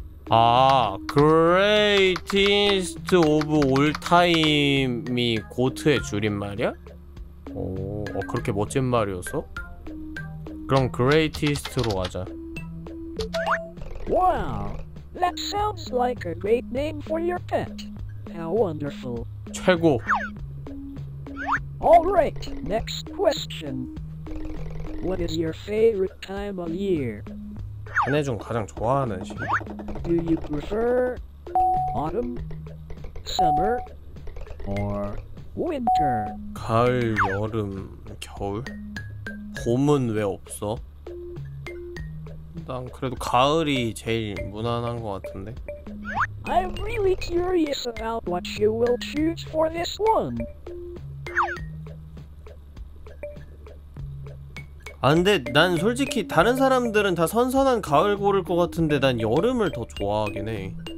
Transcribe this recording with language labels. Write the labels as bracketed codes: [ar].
[ko] 아, 그레이티스트 오브 올 타임이 고트의 줄임말이야? 오, 그렇게 멋진 말이었어? 그럼 그레이티스트로 가자. [en] Wow, that sounds like a great name for your pet. How wonderful. [ko] 최고. [en] Alright, next question. What is your favorite time of year? [ko] 한해 중 가장 좋아하는 시기. [en] Do you prefer autumn, summer, or winter? [ko] 가을, 여름, 겨울? 봄은 왜 없어? 난 그래도 가을이 제일 무난한 것 같은데. [en] I'm really curious about what you will choose for this one. [ko] 아, 근데 난 솔직히 다른 사람들은 다 선선한 가을 고를 것 같은데 난 여름을 더 좋아하긴 해.